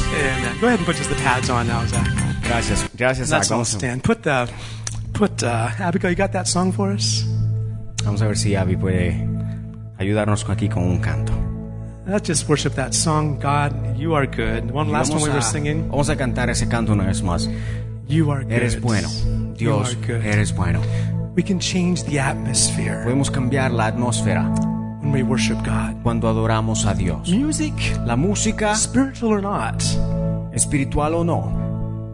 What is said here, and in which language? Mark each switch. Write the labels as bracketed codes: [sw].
[en] Yeah, go ahead and put just the pads on now, Zach. [es] Gracias, gracias, Zach. [en] Let's all stand. Put Abigail, you got that song for us? [es] Vamos a ver si Abby puede ayudarnos aquí con un canto. [en] Let's just worship that song, God, you are good. One last one we were singing. [es] Vamos a cantar ese canto una vez más. [en] You are good. [es] Eres bueno. Dios, eres bueno. [en] We can change the atmosphere. [es] Podemos cambiar la atmósfera. [en] When we worship God. [es] Cuando adoramos a Dios. [en] Music, [es] la música, [en] spiritual or not, [es] espiritual o no,